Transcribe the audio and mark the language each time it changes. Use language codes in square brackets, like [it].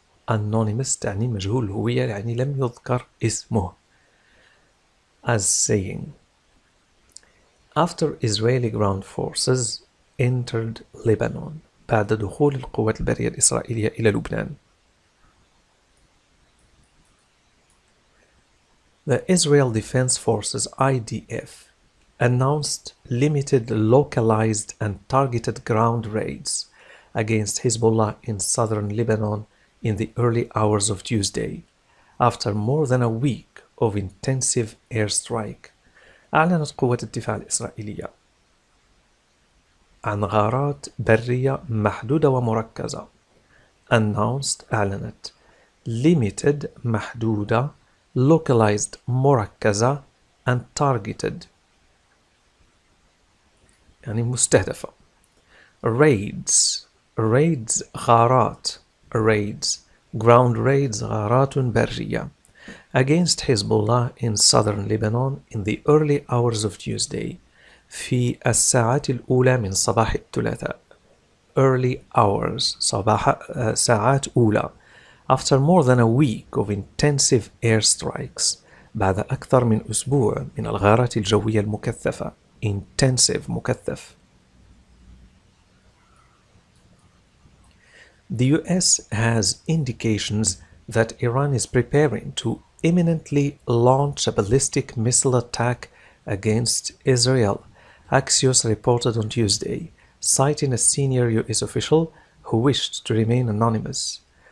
[ar] Anonymous تعني مجهول الهوية، يعني لم يذكر اسمه. [en] As saying after Israeli ground forces entered Lebanon، [ar] بعد دخول القوات البرية الإسرائيلية إلى لبنان. [en] The Israel Defense Forces IDF announced limited localized and targeted ground raids against Hezbollah in southern Lebanon in the early hours of Tuesday after more than a week of intensive air strike. [ar] أعلنت قوات الدفاع الإسرائيلية عن غارات برية محدودة ومركزة. [en] Announced أعلنت. Limited محدودة. Localized مركزة. And targeted يعني مستهدفة. Raids غارات. Raids ground raids غارات برية. Against Hezbollah in southern Lebanon in the early hours of Tuesday. [ar] في الساعات الأولى من صباح الثلاثاء. [en] Early hours [ar] صباح ساعات أولى. [en] After more than a week of intensive air strikes. [ar] بعد أكثر من أسبوع من الغارات الجوية المكثفة. [en] Intensive مكثف. The US has indications that Iran is preparing to imminently launch a ballistic missile attack against Israel, Axios reported on Tuesday, citing a senior US official who wished to remain anonymous.